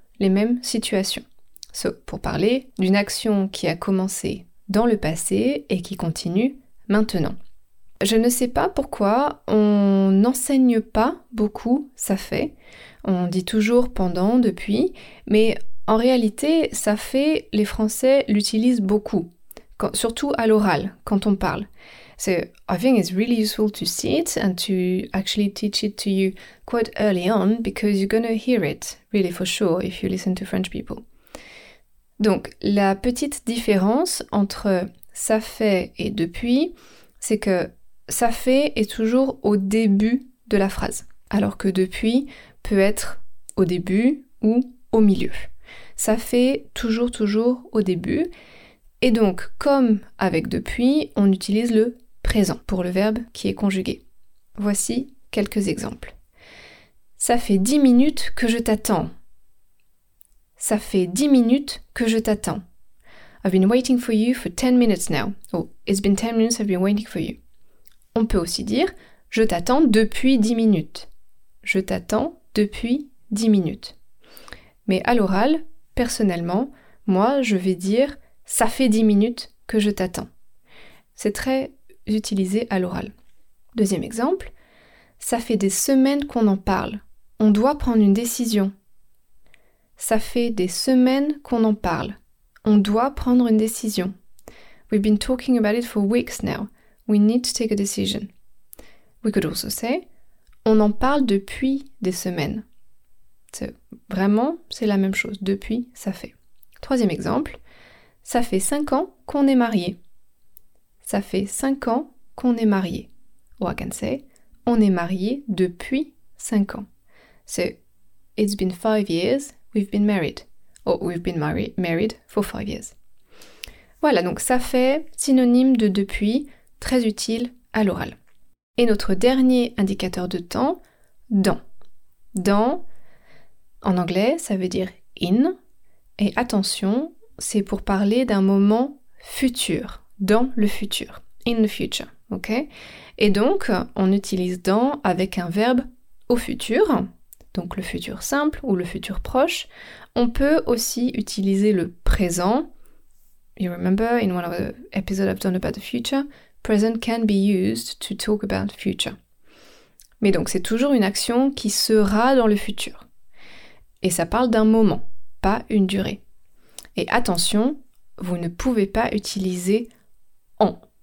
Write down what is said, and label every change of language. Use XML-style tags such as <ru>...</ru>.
<fr>Les mêmes situations.</fr> <en>So,</en> <fr>pour parler d'une action qui a commencé dans le passé et qui continue maintenant. Je ne sais pas pourquoi on n'enseigne pas beaucoup ça fait. On dit toujours pendant, depuis, mais en réalité, ça fait, les Français l'utilisent beaucoup, quand, surtout à l'oral, quand on parle.</fr> <en>So, I think it's really useful to see it and to actually teach it to you quite early on because you're going to hear it really for sure if you listen to French people.</en> <fr>Donc, la petite différence entre ça fait et depuis, c'est que ça fait est toujours au début de la phrase, alors que depuis peut être au début ou au milieu. Ça fait toujours, toujours au début. Et donc, comme avec depuis, on utilise le présent pour le verbe qui est conjugué. Voici quelques exemples. Ça fait 10 minutes que je t'attends. Ça fait 10 minutes que je t'attends.</fr> <en>I've been waiting for you for 10 minutes now. Oh, it's been 10 minutes I've been waiting for you.</en> <fr>On peut aussi dire, je t'attends depuis 10 minutes. Je t'attends depuis 10 minutes. Mais à l'oral, personnellement, moi je vais dire, ça fait 10 minutes que je t'attends. C'est très utilisé à l'oral. Deuxième exemple, ça fait des semaines qu'on en parle. On doit prendre une décision. Ça fait des semaines qu'on en parle. On doit prendre une décision.</fr> <en>We've been talking about it for weeks now. We need to take a decision. We could also say,</en> <fr>on en parle depuis des semaines.</fr> <en>So,</en> <fr>vraiment, c'est la même chose. Depuis, ça fait. Troisième exemple, ça fait 5 ans qu'on est mariés. Ça fait 5 ans qu'on est mariés.</fr> <en>Or I can say,</en> <fr>on est mariés depuis 5 ans.</fr> <en>So, it's been 5 years we've been married. Or we've been married for 5 years.</en> <fr>Voilà, donc ça fait synonyme de depuis, très utile à l'oral. Et notre dernier indicateur de temps, dans. Dans, en anglais, ça veut dire in. Et attention, c'est pour parler d'un moment futur, dans le futur,</fr> <en>in the future, ok?</en> <fr>Et donc, on utilise dans avec un verbe au futur, donc le futur simple ou le futur proche. On peut aussi utiliser le présent.</fr> <en>You remember in one of the episodes I've done about the future, present can be used to talk about the future.</en> <fr>Mais donc, c'est toujours une action qui sera dans le futur. Et ça parle d'un moment, pas une durée. Et attention, vous ne pouvez pas utiliser en.</fr>